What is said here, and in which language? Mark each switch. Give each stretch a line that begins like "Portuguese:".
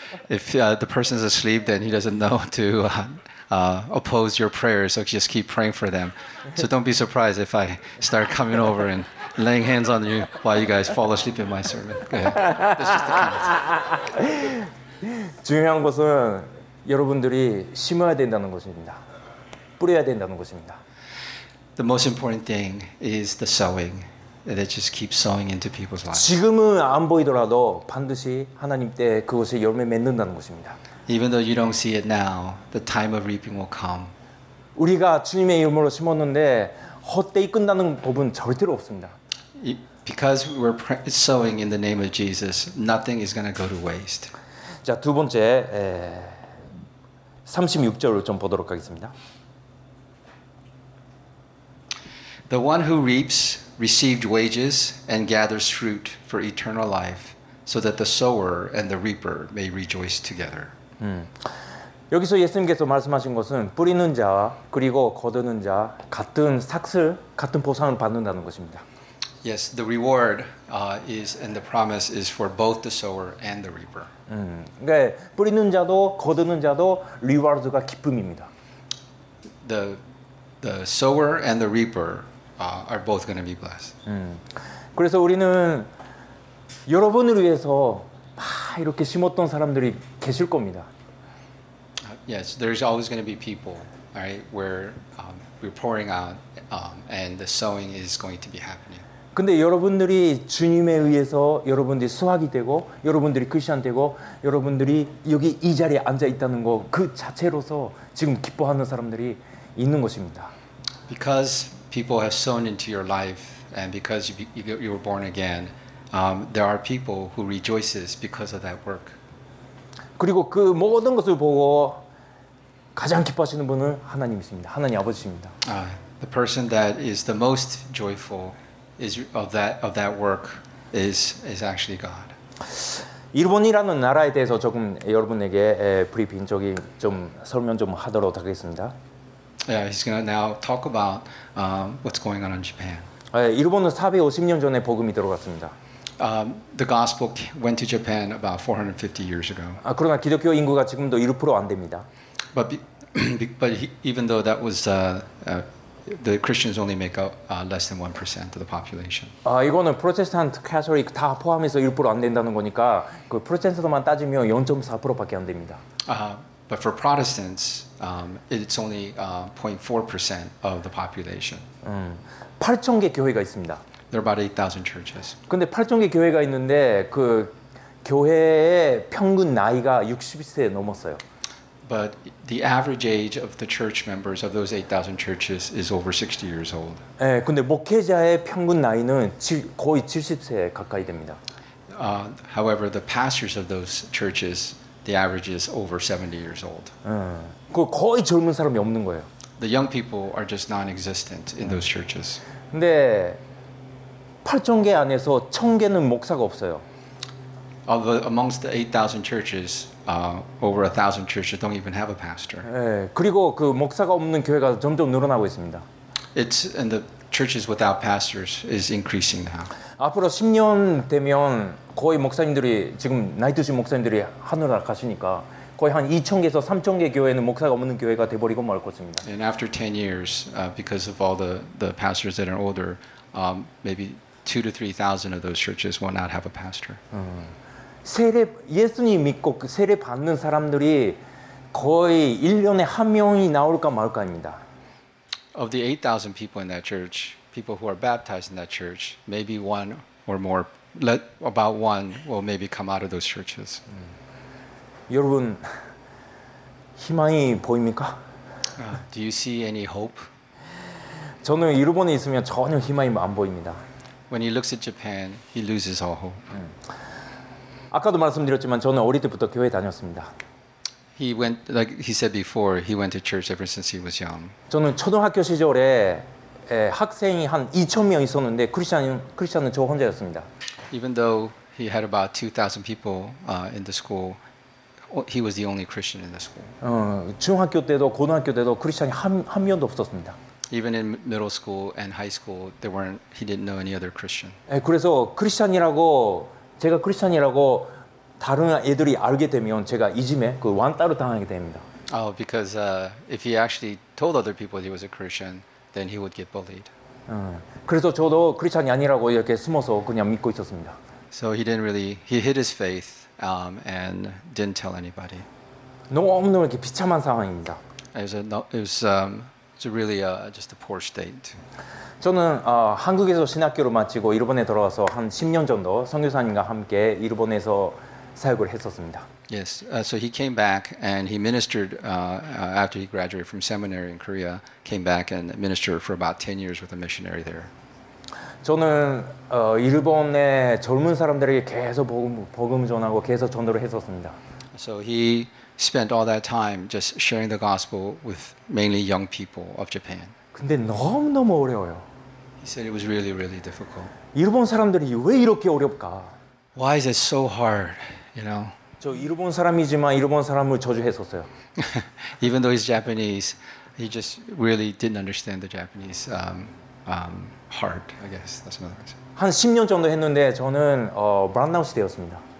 English: If the person's asleep, then he doesn't know to. Oppose your prayers, so just keep praying for them. So don't be surprised if I start coming over and laying hands on you while you guys fall asleep in my sermon. Go ahead. That's just the comments.
Korean: 중요한 것은 여러분들이 심어야 된다는 것입니다. 뿌려야 된다는 것입니다.
English: The most important thing is the sowing. That just keep sowing into people's lives.
Korean: 지금은 안 보이더라도 반드시 하나님 때 그것에 열매 맺는다는 것입니다.
English: Even though you don't see it now, the time of reaping will come.
Korean: 우리가 주님의 이름으로 심었는데 헛되이 끝나는 법은 절대로 없습니다.
English: Because we're sowing in the name of Jesus, nothing is going to go to waste.
Korean: 자, 두 번째 36절을 좀 보도록 하겠습니다.
English: The one who reaps received wages and gathers fruit for eternal life, so that the sower and the reaper may rejoice together.
Korean: 여기서 예수님께서 말씀하신 것은 뿌리는 자와 그리고 거두는 자 같은 삭슬, 같은 보상을 받는다는 것입니다.
English: Yes, the reward is and the promise is for both the sower and the reaper.
Korean: 그러니까 뿌리는 자도 거두는 자도 리워드가 기쁨입니다.
English: The sower and the reaper are both going to be blessed.
Korean: 그래서 우리는 여러분을 위해서 막 이렇게 심었던 사람들이 계실 겁니다.
English: Yes, there's always going to be people, right, where we're pouring out and the sowing is going to be happening.
Korean: 근데 여러분들이 주님에 의해서 여러분들이 수확이 되고 여러분들이 크리스천 되고 여러분들이 여기 이 자리에 앉아 있다는 거 그 자체로서 지금 기뻐하는 사람들이 있는 것입니다.
English: Because people have sown into your life and because you were born again, there are people who rejoices because of that work.
Korean: 그리고 그 모든 것을 보고 가장 기뻐하시는 분은 하나님이십니다. 하나님 아버지십니다.
English: The person that is the most joyful is of that work is actually God.
Korean: 일본이라는 나라에 대해서 조금 여러분에게 브리핑 저기 좀 설명 좀 하도록 하겠습니다.
English: Yeah, he's going to now talk about what's going on in Japan.
Korean: 일본은 450년 전에 복음이 들어갔습니다.
English: The gospel went to Japan about 450 years ago.
Korean: 그러나 기독교 인구가 지금도 1% 안 됩니다.
English: But even though that was the Christians only make up less than 1% of the population.
Korean: 이거는 프로테스탄트 캐톨릭 다 포함해서 1% 안 된다는 거니까 그 프로테스탄트만 따지면 0.4%밖에 안 됩니다.
English: But for Protestants, it's only 0.4% of the population.
Korean: 8천 개 교회가 있습니다.
English: There are about 8,000 churches.
Korean: 근데 8천 개 교회가 있는데 그 교회의 평균 나이가 60세 넘었어요.
English: But the average age of the church members of those 8,000 churches is over 60 years old.
Korean: 예, 근데 목회자의 평균 나이는 거의 70세 가까이 됩니다.
English: However, the pastors of those churches, the average is over 70 years old.
Korean: 그 거의 젊은 사람이 없는 거예요.
English: The young people are just non-existent in those churches.
Korean: 근데 8천 개 안에서 천 개는 목사가 없어요.
English: Amongst the 8,000 churches, over 1,000 churches don't even have a pastor.
Korean: 그리고 그 목사가 없는 교회가 점점 늘어나고 있습니다.
English: And the churches without pastors is increasing now.
Korean: 앞으로 10년 되면 거의 목사님들이 지금 나이트신 목사님들이 하늘나라 가시니까 거의 한 2천 개에서 3천 개 교회는 목사가 없는 교회가 돼버리고 말 것입니다.
English: And after 10 years, because of all the pastors that are older, maybe 2 to 3,000 of those churches will not have a pastor.
Korean: 세례 예수님 믿고 그 세례 받는 사람들이 거의 1년에 한 명이 나올까 말까입니다.
English: Of the 8,000 people in that church, people who are baptized in that church, maybe one or more, about one will maybe come out of those churches.
Korean: 여러분 희망이 보입니까?
English: Do you see any hope?
Korean: 저는 일본에 있으면 전혀 희망이 안 보입니다.
English: When he looks at Japan, he loses all hope.
Korean: 아까도 말씀드렸지만 저는 어릴 때부터 교회 다녔습니다.
English: He went like he said before. He went to church ever since he was young.
Korean: 저는 초등학교 시절에 학생이 한 2천 명 있었는데 크리스천은 저 혼자였습니다.
English: Even though he had about 2,000 people in the school, he was the only Christian in the school.
Korean: 중학교 때도 고등학교 때도 크리스천이 한 명도 없었습니다.
English: Even in middle school and high school, there weren't. He didn't know any other Christian.
Korean: 그래서 크리스천이라고. 제가 크리스천이라고 다른 애들이 알게 되면 제가 이짐에 그 왕따로 당하게 됩니다.
English: Oh, because if he actually told other people he was a Christian, then he would get bullied.
Korean: 그래서 저도 크리스천이 아니라고 이렇게 숨어서 그냥 믿고 있었습니다.
English: So he didn't really, he hid his faith and didn't tell anybody.
Korean: 너무너무 이렇게 비참한 상황입니다.
English: It was really just a poor state.
Korean: 저는 한국에서 신학교를 마치고 일본에 돌아와서 한 10년 정도 선교사님과 함께 일본에서 사역을 했었습니다.
English: Yes, so he came back and he ministered after he graduated from seminary in Korea, came back and ministered for about 10 years with a missionary there.
Korean: 저는 일본의 젊은 사람들에게 계속 복음 전하고 계속 전도를 했었습니다.
English: So he spent all that time just sharing the gospel with mainly young people of Japan.
Korean: 근데 너무너무 어려워요.
English: He said it was really, really difficult.
Korean: 일본 사람들이 왜 이렇게 어렵까?
English: Why is it so hard, you know?
Korean: 저 일본 사람이지만 일본 사람을 저주했었어요.
English: Even though he's Japanese, he just really didn't understand the Japanese heart, I guess. That's another reason.
Korean: 한 10년 정도 했는데 저는 브라운아웃이 되었습니다.